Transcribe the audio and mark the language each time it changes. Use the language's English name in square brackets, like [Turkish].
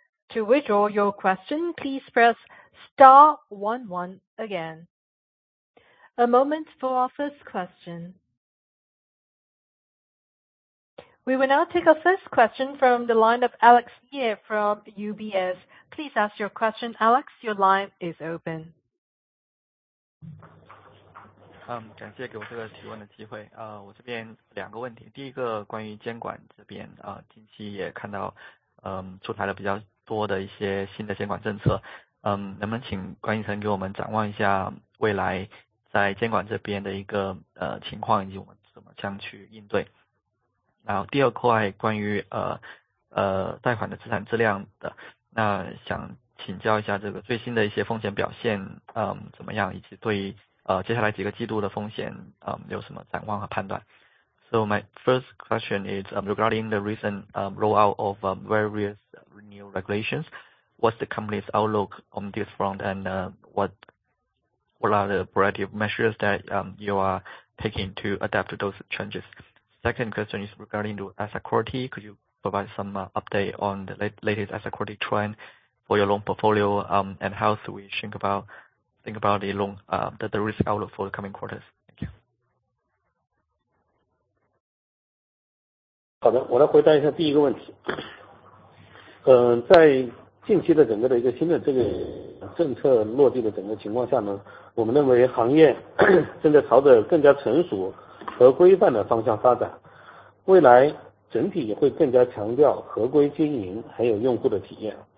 [English] To withdraw your question, please press star 11 again. A moment for our first question. We will now take our first question from the line of Alex Ye from UBS. Please ask your question, Alex. Your line is open. [Chinese] 感谢给我这个提问的机会。我这边两个问题。第一个关于监管这边近期也看到出台了比较多的一些新的监管政策。能不能请管理层给我们展望一下未来在监管这边的一个情况以及我们怎么样去应对。然后第二块关于贷款的资产质量的，那想请教一下这个最新的一些风险表现怎么样，以及对于接下来几个季度的风险有什么展望和判断。 [English] So my first question is regarding the recent rollout of various new regulations. What's the company's outlook on this front, and what are the variety of measures that you are taking to adapt to those changes? Second question is regarding the asset quality. Could you provide some update on the latest asset quality trend for your loan portfolio and how should we think about the loan, the risk outlook for the coming quarters. Thank you. [Chinese] 好的，我来回答一下第一个问题。在近期的整个的一个新的这个政策落地的整个情况下呢，我们认为行业正在朝着更加成熟和规范的方向发展，未来整体也会更加强调合规经营还有用户的体验。